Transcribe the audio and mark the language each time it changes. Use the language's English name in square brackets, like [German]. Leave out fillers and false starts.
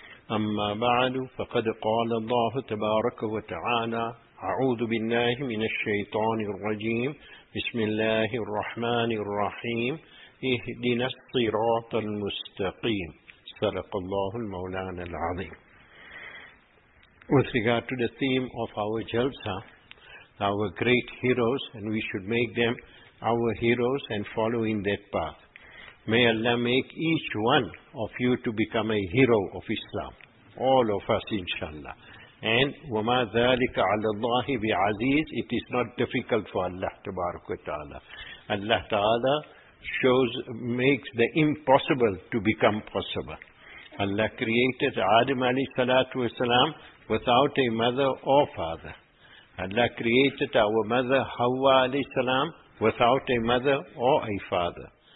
[Arabic] أما بعد، فقد قال الله تبارك وتعالى: أعوذ بالله من الشيطان الرجيم، بسم الله الرحمن الرحيم، اهدنا الصراط المستقيم. صدق الله المولانا العظيم. [English] With regard to the theme of our jalsa, our great heroes, and we should make them our heroes and follow in that path. May Allah make each one of you to become a hero of Islam. All of us, inshallah. [Arabic] And وَمَا ذَلِكَ عَلَى اللَّهِ بِعَزِيزِ. [English] It is not difficult for Allah, tabarak wa ta'ala. Allah ta'ala makes the impossible to become possible. Allah created Adam alayhi salatu wa salam without a mother or father. Allah created our mother Hawa alayhi salam without a mother or a father.